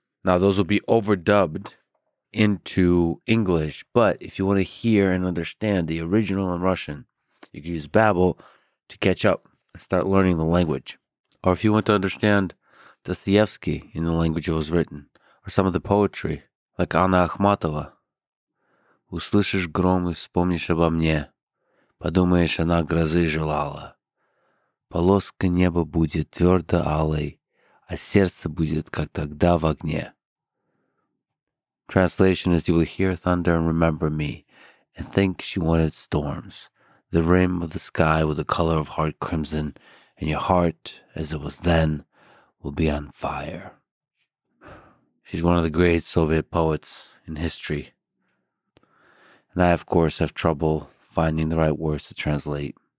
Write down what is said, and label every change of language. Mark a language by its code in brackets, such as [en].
[en] Now, those will be overdubbed into English, but if you want to hear and understand the original in Russian, you can use Babbel to catch up and start learning the language. Or if you want to understand Dostoevsky in the language it was written, or some of the poetry, like Анна Ахматова. [ru] Услышишь гром и вспомнишь обо мне. Подумаешь, она грозы желала. Полоска неба будет твердо алой, а сердце будет, как тогда в огне. [en] Translation is, you will hear thunder and remember me, and think she wanted storms. The rim of the sky with the color of heart crimson, and your heart, as it was then, will be on fire. She's one of the great Soviet poets in history. And I, of course, have trouble finding the right words to translate.